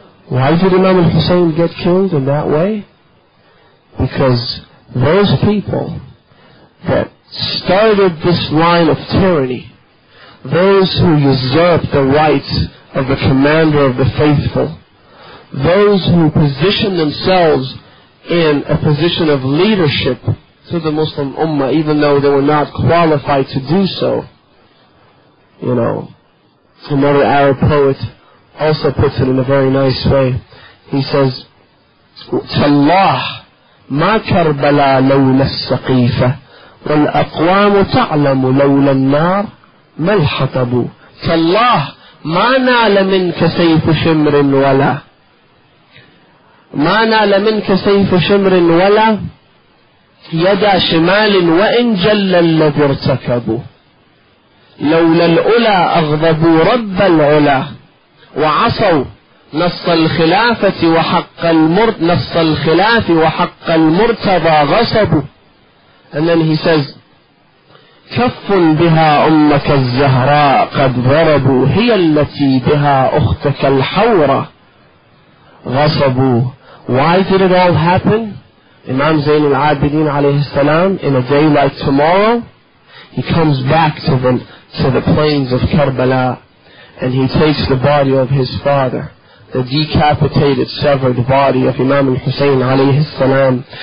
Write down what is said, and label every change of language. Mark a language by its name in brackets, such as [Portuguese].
[English] Why did Imam al-Husayn get killed in that way? Because those people that started this line of tyranny, those who usurped the rights of the commander of the faithful, those who positioned themselves in a position of leadership to the Muslim Ummah, even though they were not qualified to do so. You know, another Arab poet also puts it in a very nice way. He says, [Arabic] تَاللَّهِ مَا كَرْبَلَا لَوْلَا السَّقِيفَةِ وَالْأَقْوَامُ تَعْلَمُ لَوْلَا النَّارِ مَا الْحَطَبُ تَاللَّهِ مَا نَالَ مِنْكَ سَيْفُ شِمْرٍ وَلَا مَا نَالَ مِنْكَ سَيْفُ شِمْرٍ وَلَا يدا شمال وإن جل الذي ارتكبوا لولا الأولى أغضبوا رب العلا وعصوا نص الخلافة وحق نص الخلاف وحق المرتضى غصبوا. [English] And then he says, [Arabic] كف بها أمك الزهراء قد ضربوا هي التي بها أختك الحورة غصبوا. [English] Why did it all happen? Imam Zain al-Abidin alayhi salam, in a day like tomorrow, he comes back to the plains of Karbala, and he takes the body of his father, the decapitated, severed body of Imam al-Husayn alayhi salam.